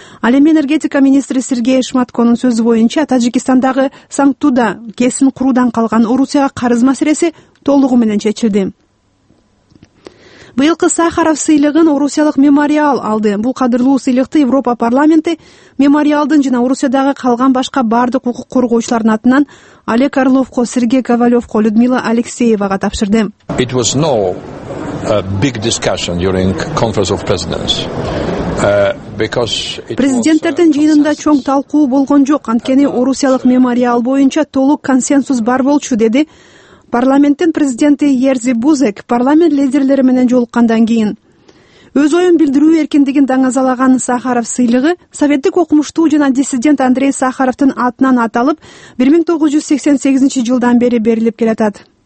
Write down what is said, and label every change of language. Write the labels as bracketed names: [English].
[Kyrgyz] Ал эми энергетика министри Сергей Шматконун сөзү боюнча Таджикистандагы Санктуда кесин куруудан калган Орусияга карыз маселеси толугу менен чечилди. Быйылкы Сахаров сыйлыгын Орусиялык мемориал алды. Бул кадырлуу сыйлыкты Европа парламенти мемориалдын жана Орусиядагы калган башка бардык укук коргоочулардын атынан Олег Орловко, Сергей Ковалевко, Людмила Алексеевага тапшырды. [English] It was no big discussion during conference of presidents. [Kyrgyz] Президенттердин жыйынында чоң талкуу болгон жок, анткени Орусиялык мемориал боюнча толук консенсус бар болчу, деди парламенттин президенти Ерзи Бузек парламент лидерлери менен жолуккандан кийин. Өз оюн билдирүү эркиндигин даңазалаган Сахаров сыйлыгы советтик окумуштуу жана диссидент Андрей Сахаровдун атынан аталып 1988-жылдан бери берилип келатат.